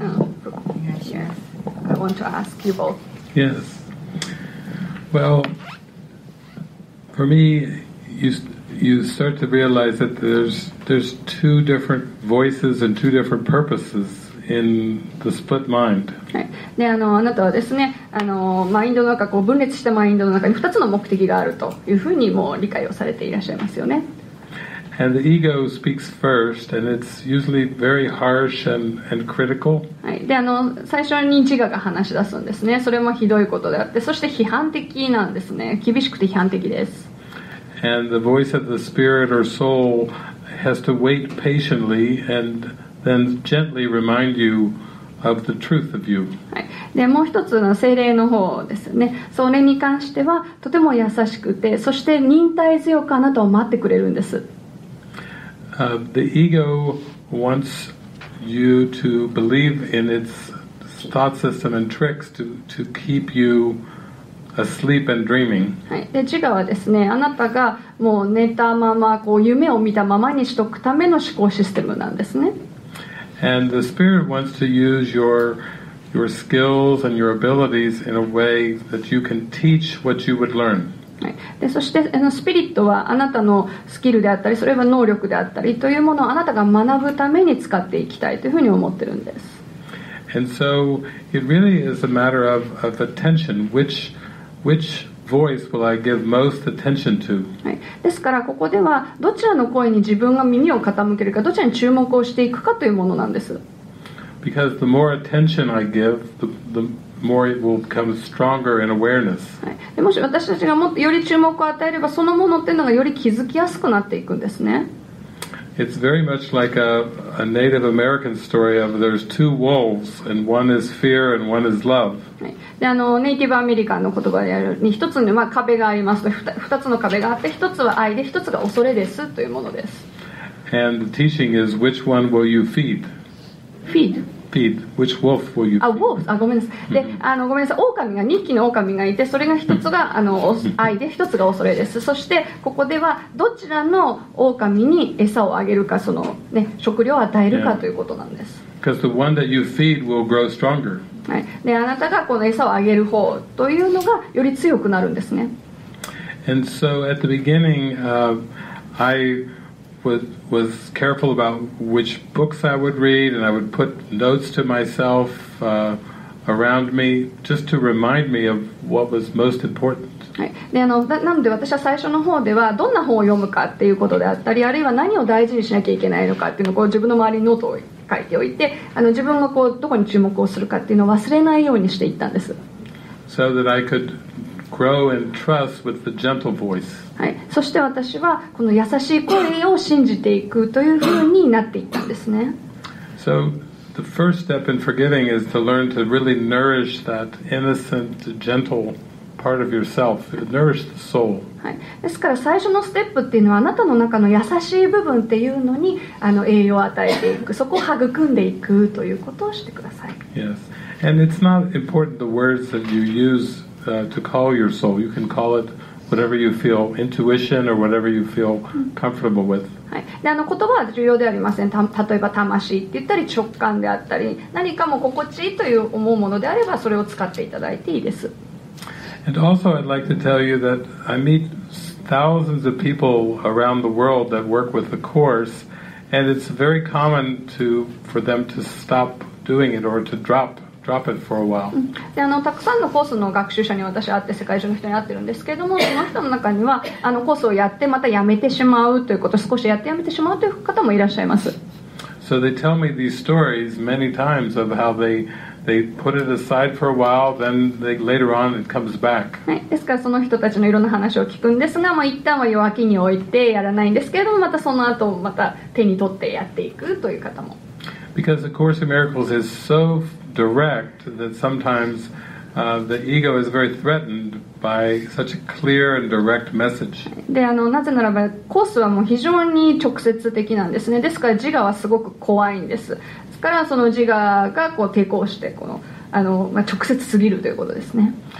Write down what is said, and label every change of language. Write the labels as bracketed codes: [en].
[ja] ます。 [en] I want to ask you both. Yes. Well, for me, you start to realize that there's two different voices and two different purposes in the split mind. [ja] はい。で、あなたはですね、マインドの中、こう分裂したマインドの中に2つの目的があるというふうにもう理解をされていらっしゃいますよね。 [en] And the ego speaks first, and it's usually very harsh and critical. [ja] はい。で、最初に自我が話し出すんですね。それもひどいことであって、そして批判的なんですね。厳しくて批判的です。 [en] And the voice of the spirit or soul has to wait patiently and then gently remind you of the truth of you. [ja] はい。で、もう一つの精霊の方ですね。それに関してはとても優しくて、そして忍耐強くあなたを待ってくれるんです。 [en] The ego wants you to believe in its thought system and tricks to keep you asleep and dreaming. [ja] はい。で、自我はですね、あなたがもう寝たまま、こう夢を見たままにしとくための思考システムなんですね。 [en] And the spirit wants to use your skills and your abilities in a way that you can teach what you would learn. [ja] はい。で、そしてスピリットはあなたのスキルであったり、それは能力であったりというものをあなたが学ぶために使っていきたいというふうに思ってるんです。 [en] And so it really is a matter of attention, which voice will I give most attention to? [ja] はい。ですからここではどちらの声に自分が耳を傾けるか、どちらに注目をしていくかというものなんです。 [en] Because the more attention I give, the more it will become stronger in awareness. [ja] はい。で、もし私たちがもっとより注目を与えれば、そのものっていうのがより気づきやすくなっていくんですね。 [en] It's very much like a Native American story of there's two wolves and one is fear and one is love. [ja] で、ネイティブアメリカンの言葉であるに一つに、まあ、壁がありますと、二つの壁があって、一つは愛で、一つが恐れですというものです。 [en] And the teaching is which one will you feed? Feed. Feed. Which wolf will you feed? Wolf. [ja] ごめんなさい。で、ごめんなさい。狼が、二匹の狼がいて、それが一つが愛で、一つが恐れです。そして、ここではどちらの狼に餌をあげるか、その、ね、食料を与えるか、 [en] yeah. [ja] ということなんです。 [en] Because the one that you feed will grow stronger. [ja] はい、で、あなたがこの餌をあげる方というのがより強くなるんですね。 [en] And so at the beginning, I was careful about which books I would read, and I would put notes to myself, around me, just to remind me of what was most important. [ja] はい。で、なので私は最初の方ではどんな本を読むかっていうことであったり、あるいは何を大事にしなきゃいけないのかっていうのをこう自分の周りにノートを書いておいて、自分がこうどこに注目をするかっていうのを忘れないようにしていったんです。 [en] So that I could grow in trust with the gentle voice. [ja] はい。そして私はこの優しい声を信じていくというふうになっていったんですね。 [en] So the first step in forgiving is to learn to really nourish that innocent, gentle part of yourself. Nourish the soul. [ja] はい。ですから最初のステップっていうのはあなたの中の優しい部分っていうのに栄養を与えていく、そこを育んでいくということをしてください。 [en] Yes. And it's not important the words that you use to call your soul. You can call it whatever you feel, intuition or whatever you feel comfortable with. [ja] はい。で、言葉は重要ではありません。例えば魂って言ったり直感であったり、何かも心地いいという思うものであればそれを使っていただいていいです。 [en] And also I'd like to tell you that I meet thousands of people around the world that work with the course, and it's very common for them to stop doing it or to drop it for a while. [ja] で、たくさんのコースの学習者に私会って、世界中の人に会ってるんですけれども、その人の中にはコースをやってまたやめてしまうということ、少しやってやめてしまうという方もいらっしゃいます。 [en] So they tell me these stories many times of how they put it aside for a while, then they, later on it comes back. [ja] ですからその人たちのいろんな話を聞くんですが、まあ、一旦は弱気に置いてやらないんですけれども、またその後また手に取ってやっていくという方も。 [en] Because the Course in Miracles is so direct that sometimes the ego is very threatened by such a clear and direct message. [ja] で、なぜならばコースはもう非常に直接的なんですね。ですから自我はすごく怖いんです。からその自我がこう抵抗して、この直接すぎるということですね。